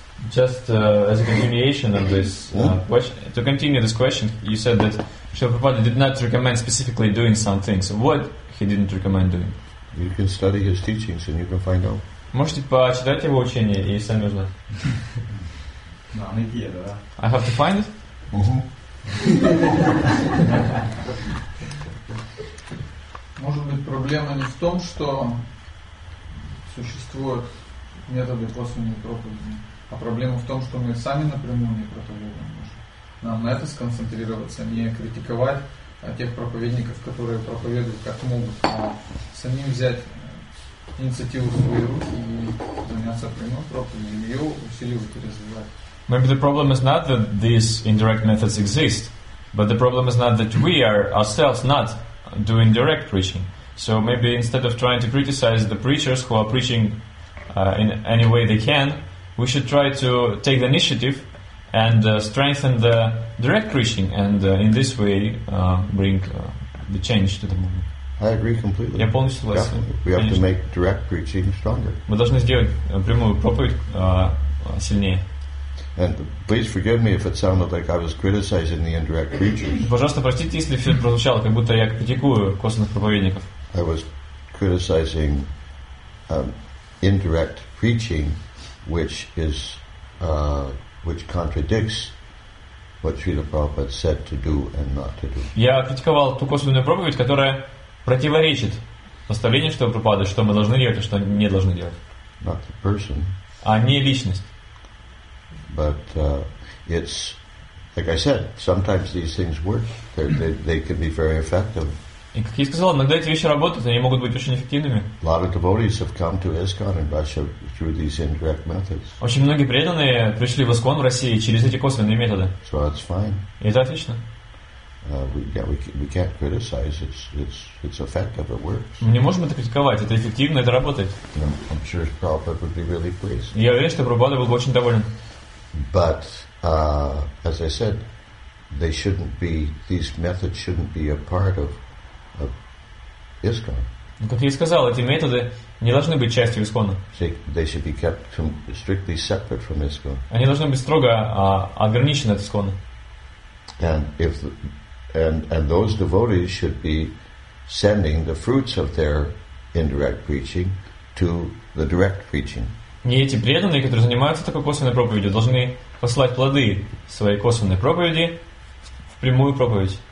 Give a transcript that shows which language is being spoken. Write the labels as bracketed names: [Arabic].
[English] Just as a continuation of this question, to continue this question, you said that Srila Prabhupada did not recommend specifically doing some things. What he didn't recommend doing? You can study his teachings and you can find out. [Russian] Можете почитать его учение и сами узнать. [English] I have to find it? [Russian] Может быть, проблема не в том, что существуют методы косвенной проповеди, а проблема в том, что мы сами напрямую не проповедуем. Нам на это сконцентрироваться, не критиковать тех проповедников, которые проповедуют как могут, а самим взять инициативу в свои руки и заняться прямой проповедью, ее усиливать и развивать. [English] Maybe the problem is not that these indirect methods exist, but the problem is not that we are ourselves not doing direct preaching. So maybe instead of trying to criticize the preachers who are preaching in any way they can, we should try to take the initiative and strengthen the direct preaching, and in this way bring the change to the movement. I agree completely. [Russian] Я полностью согласен. Yeah, [English] we have конечно. To make direct preaching stronger. [Russian] Мы должны сделать прямую проповедь сильнее. [English] And please forgive me if it sounded like I was criticizing the indirect preachers. [Russian] Пожалуйста, простите, если все прозвучало, как будто я критикую косвенных проповедников. [English] I was criticizing indirect preaching, which is which contradicts what Srila Prabhupada said to do and not to do. [Russian] Я критиковал ту косвенную проповедь, которая противоречит наставлению Шрилы Прабхупады, что мы должны делать, а что не должны делать. [English] Not the person. [Russian] А не личность. [English] But it's like I said. Sometimes these things work. They can be very effective. [Russian] И как я сказал, иногда эти вещи работают, они могут быть очень эффективными. [English] A lot of devotees have come to ISKCON in Russia through these indirect methods. [Russian] Очень многие преданные пришли в ISKCON в России через эти косвенные методы. [English] So that's fine. [Russian] И это отлично. [English] We can't criticize. It's effective. It works. [Russian] Мы не можем это критиковать. Это эффективно. Это работает. [English] I'm sure Prabhupada would be really pleased. [Russian] Я уверен, что Прабхупада был бы очень доволен. [English] But as I said, they shouldn't be. These methods shouldn't be a part of ISKCON. [Russian] Как я и сказал, эти методы не должны быть частью ISKCON. [English] They should be kept strictly separate from ISKCON. [Russian] Они должны быть строго ограничены от ISKCON. [English] And if and those devotees should be sending the fruits of their indirect preaching to the direct preaching. [Russian] И эти преданные, которые занимаются такой косвенной проповедью, должны посылать плоды своей косвенной проповеди в прямую проповедь.